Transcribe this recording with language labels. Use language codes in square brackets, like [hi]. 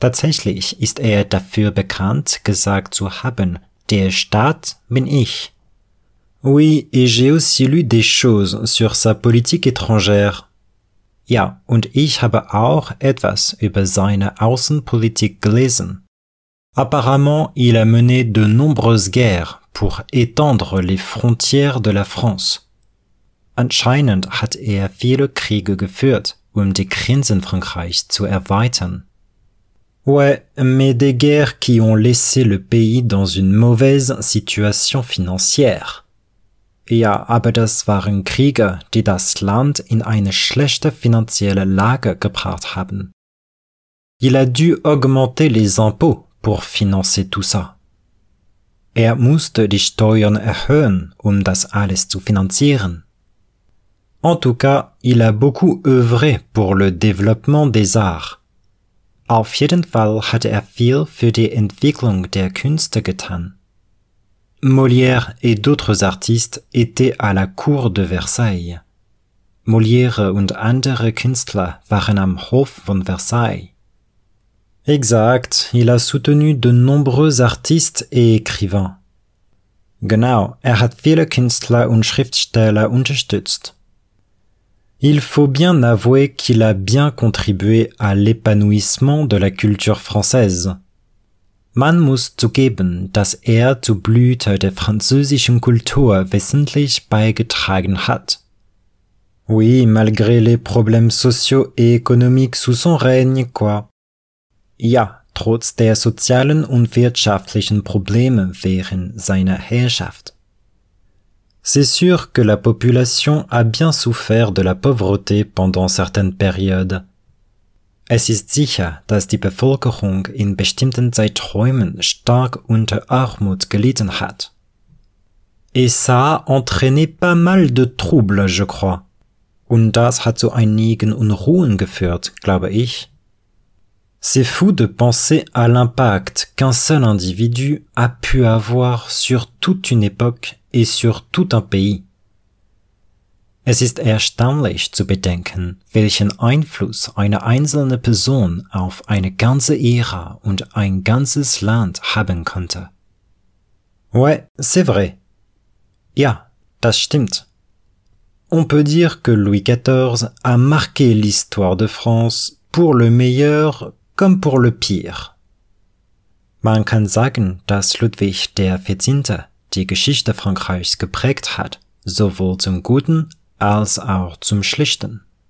[de] Tatsächlich ist er dafür bekannt, gesagt zu haben, der Staat bin ich. [fr] Oui, et j'ai aussi lu des choses sur sa politique étrangère. [de] Ja, und ich habe auch etwas über seine Außenpolitik gelesen. [fr] Apparemment, il a mené de nombreuses guerres pour étendre les frontières de la France. [de] Anscheinend hat er viele Kriege geführt, um die Grenzen Frankreichs zu erweitern. [fr] Ouais, mais des guerres qui ont laissé le pays dans une mauvaise situation financière. [de] Ja, aber das waren Kriege, die das Land in eine schlechte finanzielle Lage gebracht haben. [fr] Il a dû augmenter les impôts pour financer tout ça. [de] Er musste die Steuern erhöhen, um das alles zu finanzieren. [fr] En tout cas, il a beaucoup œuvré pour le développement des arts. [de] Auf jeden Fall hat er viel für die Entwicklung der Künste getan. [fr] Molière et d'autres artistes étaient à la cour de Versailles. [de] Molière und andere Künstler waren am Hof von Versailles. [fr] Exact, il a soutenu de nombreux artistes et écrivains. [de] Genau, er hat viele Künstler und Schriftsteller unterstützt. [fr] Il faut bien avouer qu'il a bien contribué à l'épanouissement de la culture française. [de] Man muss zugeben, dass zur Blüte der französischen Kultur wesentlich beigetragen hat. [fr] Oui, malgré les problèmes sociaux et économiques sous son règne, quoi. [de] Ja, trotz der sozialen und wirtschaftlichen Probleme während seiner Herrschaft. [fr] C'est sûr que la population a bien souffert de la pauvreté pendant certaines périodes. [de] Es ist sicher, dass die Bevölkerung in bestimmten Zeiträumen stark unter Armut gelitten hat. [fr] Et ça a entraîné pas mal de troubles, je crois. [de] Und das hat zu einigen Unruhen geführt, glaube ich. [fr] C'est fou de penser à l'impact qu'un seul individu a pu avoir sur toute une époque et sur tout un pays. [de] Es ist erstaunlich zu bedenken, welchen Einfluss eine einzelne Person auf eine ganze Ära und ein ganzes Land haben konnte. [fr] Ouais, c'est vrai. [de] Ja, das stimmt. [fr] On peut dire que Louis XIV a marqué l'histoire de France pour le meilleur comme pour le pire. [de] Man kann sagen, dass Ludwig der 14. Die Geschichte Frankreichs geprägt hat, sowohl zum Guten als auch zum Schlechten.